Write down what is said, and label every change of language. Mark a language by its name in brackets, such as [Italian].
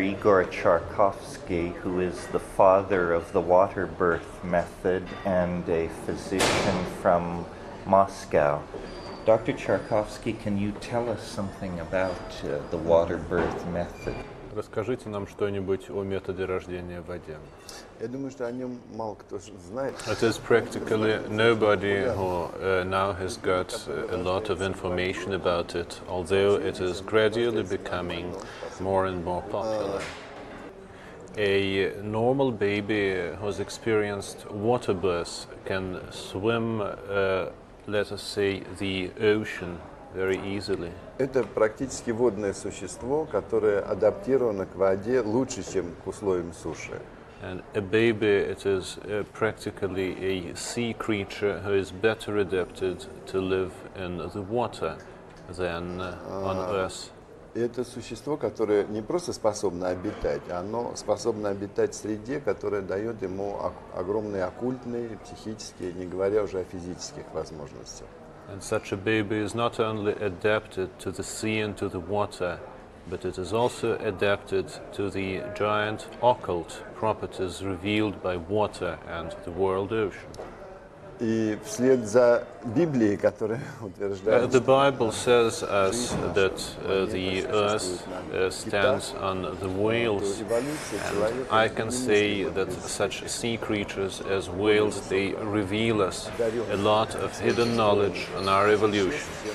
[English] Igor Charkovsky, who is the father of the water birth method and a physician from Moscow. Dr. Charkovsky, can you tell us something about the water birth method? [Russian] Расскажите нам что-нибудь о методе рождения в воде. Я думаю, что о нем мало кто знает. [English] It is practically nobody who now has got a lot of information about it, although it is gradually becoming more and more popular. A normal baby who has experienced water birth can swim, let us say, the ocean very easily. [Russian] Это практически водное существо, которое адаптировано к воде лучше, чем к условиям суши. [English] And a baby, it is practically a sea creature who is better adapted to live in the water than on Earth. [Russian] Это существо, которое не просто способно обитать, оно способно обитать в среде, которая дает ему огромные оккультные, психические, не говоря уже о физических возможностях. [English] And such a baby is not only adapted to the sea and to the water, but it is also adapted to the giant occult properties revealed by water and the world ocean. [Russian] И вслед за Библией, которая утверждает, [English] the Bible says us that the earth stands on the whales, and I can say that such sea creatures as whales, they reveal us a lot of hidden knowledge on our evolution.